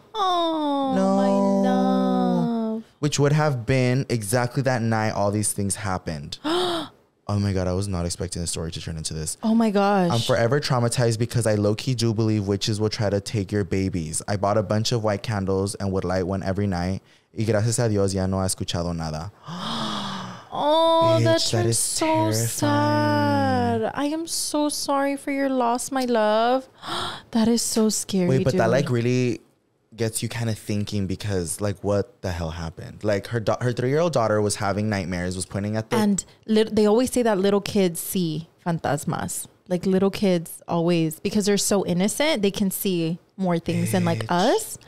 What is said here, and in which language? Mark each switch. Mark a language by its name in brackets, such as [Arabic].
[English] Oh, no. Which would have been exactly that night all these things happened. Oh my God, I was not expecting the story to turn into this. Oh my gosh. I'm forever traumatized because I low-key do believe witches will try to take your babies. I bought a bunch of white candles and would light one every night. [Spanish] Y gracias a Dios ya no ha escuchado nada. [English] Oh, bitch, that is so sad. I am so sorry for your loss, my love. That is so scary. Wait, but dude. That like really... gets you kind of thinking because like what the hell happened, like her 3-year-old daughter was having nightmares, was pointing at the and they always say that little kids see fantasmas, like little kids always, because they're so innocent, they can see more things bitch. Than like us.